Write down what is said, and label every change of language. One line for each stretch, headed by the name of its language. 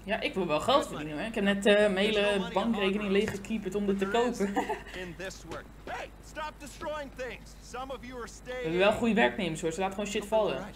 Dutch: Ja, ik wil wel geld verdienen, hè. Ik heb net mijn hele bankrekening leeggekeeperd om dit te kopen.
English: Hey, stop destroying things. Some of you are staying.
Dutch: We hebben wel goede werknemers hoor. Ze laten gewoon shit vallen.